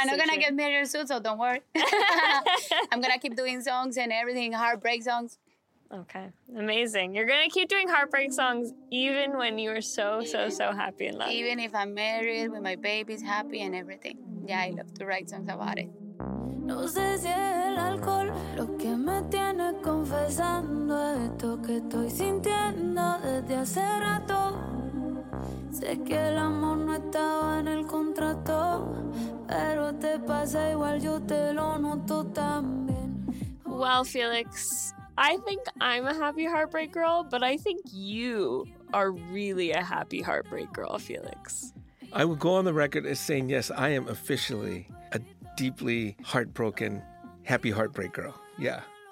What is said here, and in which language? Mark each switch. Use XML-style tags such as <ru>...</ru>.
<en>I'm not going to get married soon, so don't worry. I'm going to keep doing songs and everything, heartbreak songs. Okay. Amazing. You're going to keep doing heartbreak songs even when you are so, so, so happy in love. Even if I'm married, when my baby's happy and everything. Yeah, I love to write songs about it.</en> <es>No sé si es el alcohol lo que me tiene confesando esto que estoy sintiendo desde hace rato. Sé que el amor no estaba en el contrato, pero te pasa igual, yo te lo noto también.</es> <en>Well, Felix, I think I'm a happy heartbreak girl, but I think you are really a happy heartbreak girl, Felix. I would go on the record as saying, yes, I am officially a deeply heartbroken, happy heartbreak girl. Yeah.</en>